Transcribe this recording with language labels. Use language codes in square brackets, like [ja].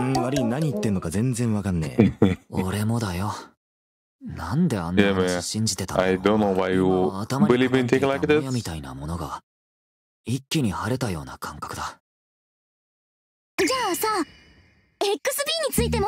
[ja] 悪い、何言ってんのか全然わかんねえ。俺もだよ。なんであんな話信じてたの? [en] I don't know why you believe in things like this. [ja] 一気に晴れたような感覚だ。じゃあさ、 XB についても。